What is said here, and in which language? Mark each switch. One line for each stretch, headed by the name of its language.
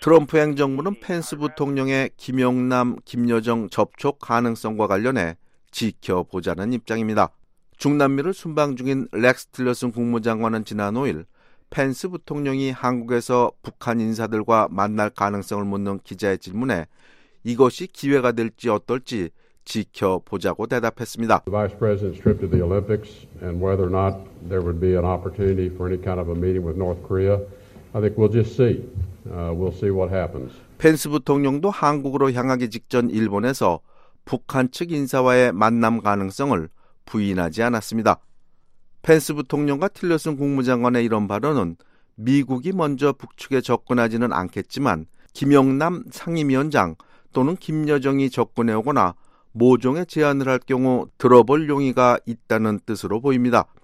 Korean: 트럼프 행정부는 펜스 부통령의 김영남, 김여정 접촉 가능성과 관련해 지켜보자는 입장입니다. 중남미를 순방 중인 렉스 틸러슨 국무장관은 지난 5일 펜스 부통령이 한국에서 북한 인사들과 만날 가능성을 묻는 기자의 질문에 이것이 기회가 될지 어떨지 지켜보자고 대답했습니다.
English: The Vice President's trip to the Olympics and whether or not there would be an opportunity for any kind of a meeting with North Korea, I think we'll just see. We'll see what happens.
Korean: 펜스 부통령도 한국으로 향하기 직전 일본에서 북한 측 인사와의 만남 가능성을 부인하지 않았습니다. 펜스 부통령과 틸러슨 국무장관의 이런 발언은 미국이 먼저 북측에 접근하지는 않겠지만 김영남 상임위원장 또는 김여정이 접근해오거나 모종의 제안을 할 경우 들어볼 용의가 있다는 뜻으로 보입니다.